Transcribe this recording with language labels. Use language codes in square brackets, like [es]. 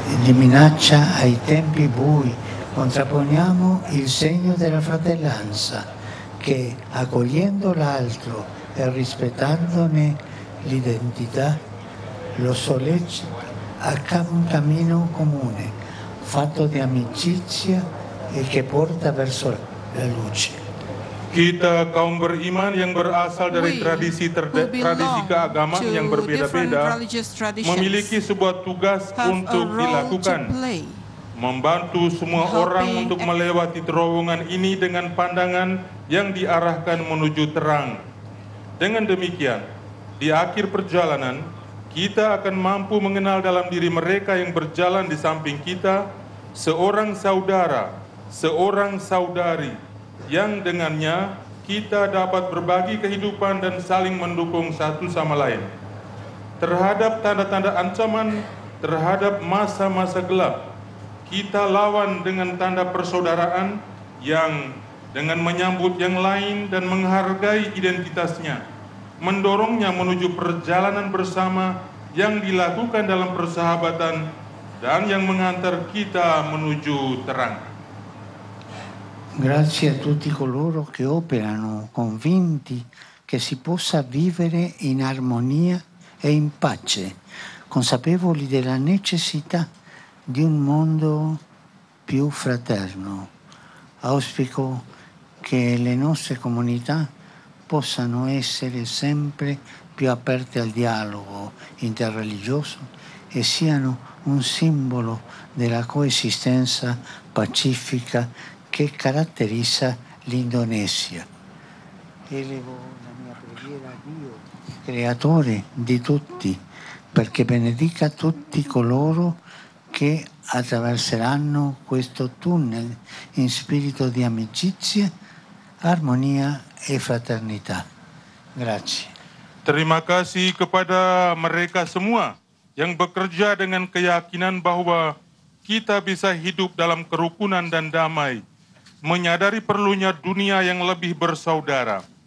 [it] Minaccia ai tempi bui, contrapponiamo il segno della fratellanza che, accogliendo l'altro e rispettandone l'identità, lo solleva a un cammino comune, fatto di amicizia e che porta verso la luce. [id] Kita kaum beriman yang berasal dari tradisi keagamaan yang berbeda-beda memiliki sebuah tugas untuk dilakukan, membantu semua orang untuk melewati terowongan ini dengan pandangan yang diarahkan menuju terang. Dengan demikian, di akhir perjalanan, kita akan mampu mengenal dalam diri mereka yang berjalan di samping kita, seorang saudara, seorang saudari, yang dengannya kita dapat berbagi kehidupan dan saling mendukung satu sama lain. Terhadap tanda-tanda ancaman, terhadap masa-masa gelap, kita lawan dengan tanda persaudaraan yang dengan menyambut yang lain dan menghargai identitasnya, mendorongnya menuju perjalanan bersama yang dilakukan dalam persahabatan dan yang mengantar kita menuju terang. [it] Grazie a tutti coloro che operano convinti che si possa vivere in armonia e in pace, consapevoli della necessità di un mondo più fraterno. Auspico che le nostre comunità possano essere sempre più aperte al dialogo interreligioso e siano un simbolo della coesistenza pacifica che caratterizza l'Indonesia. Elevo la mia preghiera a Dio, creatore di tutti, perché benedica tutti coloro che attraverseranno questo tunnel in spirito di amicizia, armonia e fraternità. Grazie. [id] Terima kasih kepada mereka semua yang bekerja dengan keyakinan bahwa kita bisa hidup dalam kerukunan dan damai, menyadari perlunya dunia yang lebih bersaudara.